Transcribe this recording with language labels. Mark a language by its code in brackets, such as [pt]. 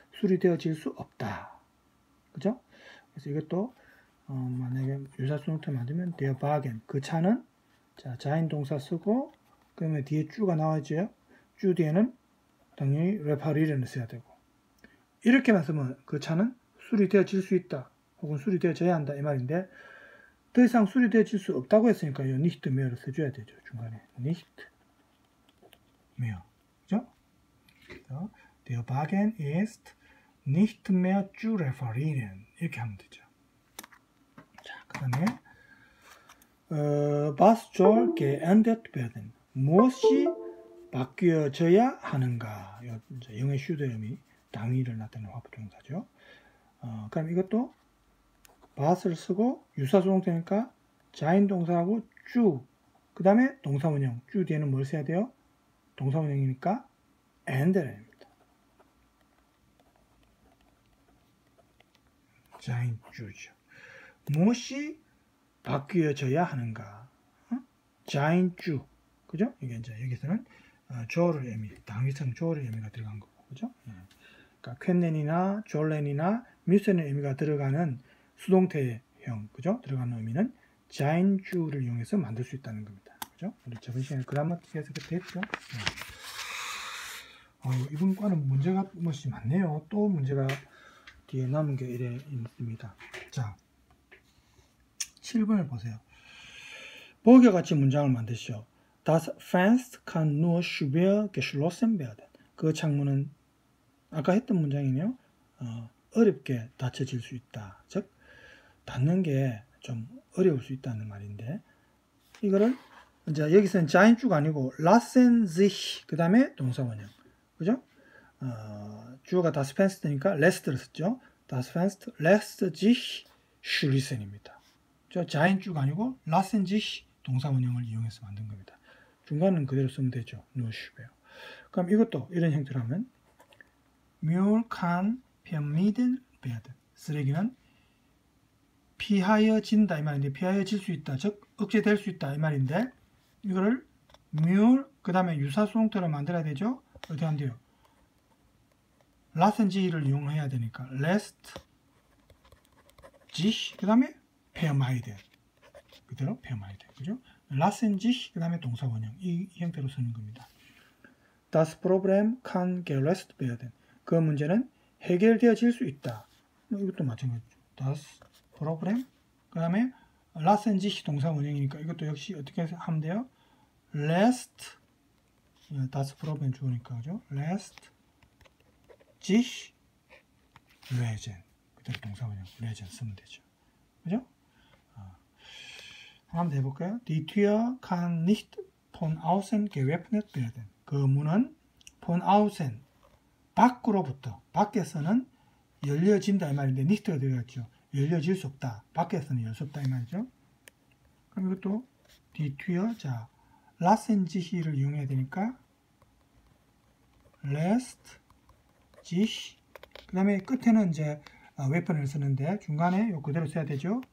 [ko] 수리되어질 수 없다. 그죠? 그래서 이것도 만약에 유사수동태 만들면 [de] der Wagen, [ko] 그 차는 자, 자인 동사 쓰고 그러면 뒤에 주가 나와야죠. 주 뒤에는 당연히 reparieren을 써야 되고 이렇게 말씀은 그 차는 수리되어질 수 있다 혹은 수리되어져야 한다 이 말인데 더 이상 수리되어질 수 없다고 했으니까 이 [de] nicht mehr [ko] 을 써줘야 되죠. [de] 중간에 nicht mehr. [ko] 그렇죠? [de] Der Wagen ist nicht mehr zu reparieren. [ko] 이렇게 하면 되죠. [de] 자, 그 다음에 was soll geändert werden? [ko] 무엇이 바뀌어져야 하는가? 영어 슈드염이 당위를 나타내는 화법동사죠. 그럼 이것도 but을 쓰고 유사수동태니까 자인동사하고 주, 그 다음에 동사원형, 주 뒤에는 뭘 써야 돼요? 동사원형이니까 and입니다. 자인 주죠. 무엇이 바뀌어져야 하는가? 자인 주, 그죠? 이게 이제 여기서는 조를 의미, 당위성 조를 의미가 들어간 거고, 그죠? 그러니까 퀸넨이나 졸렌이나 뮤센의 의미가 들어가는 수동태형, 그죠? 들어가는 의미는 자인주를 이용해서 만들 수 있다는 겁니다. 그죠? 우리 저번 시간에 그라마틱에서 그 됐죠? 네. 이번 과는 문제가 몇이 많네요. 또 문제가 뒤에 남은 게 이래 있습니다. 자, 7번을 보세요. 보기와 같이 문장을 만드시오. [de] Das Fenster kann nur schwer geschlossen werden. [ko] 그 창문은 아까 했던 문장이네요. 어렵게 닫혀질 수 있다. 즉, 닫는 게 좀 어려울 수 있다는 말인데 이거를 이제 여기서는 자인주가 아니고 [de] lassen sich [ko] 그 다음에 동사원형 그죠? 주어가 [de] das Fenster [ko] 니까 lässt를 썼죠. [de] das Fenster lässt sich schließen입니다. [ko] 저 자인주가 아니고 lassen sich 동사원형을 이용해서 만든 겁니다. 중간은 그대로 쓰면 되죠. [de] nur schwer. [ko] 그럼 이것도 이런 형태로 하면 [de] Müll kann vermieden werden. [ko] 쓰레기는 피하여진다 이 말인데 피하여질 수 있다 즉 억제될 수 있다 이 말인데 이거를 Müll 그 다음에 유사수동태로 만들어야 되죠. 어떻게 하면 돼요? lassen sich를 이용해야 되니까 [de] lässt sich [ko] 그 다음에 vermeiden 그대로 vermeiden 그죠? [de] lassen sich [ko] 그 다음에 동사원형 이 형태로 쓰는 겁니다. [de] das Problem kann gelöst werden [ko] 그 문제는 해결되어질 수 있다 이것도 마찬가지죠. [de] das Problem, [ko] 그 다음에 [de] lassen sich [ko] 동사원형이니까 이것도 역시 어떻게 하면 돼요? [de] lässt, das Problem [ko] 주어니까 그죠? [de] lässt sich lösen, [ko] 그대로 동사원형 lösen 쓰면 되죠. 그죠? 한번 해볼까요? [de] Die Tür kann nicht von außen geöffnet werden. [ko] 그 문은 [de] von außen, [ko] 밖으로부터, 밖에서는 열려진다 이 말인데 nicht가 들어갔죠. 열려질 수 없다. 밖에서는 열 수 없다 이 말이죠. 그럼 이것도 [de] die Tür, [ko] 자, [de] lassen sich [ko] 를 이용해야 되니까 [de] lässt sich [ko] 그 다음에 끝에는 이제 weapon을 쓰는데 중간에 요 그대로 써야 되죠.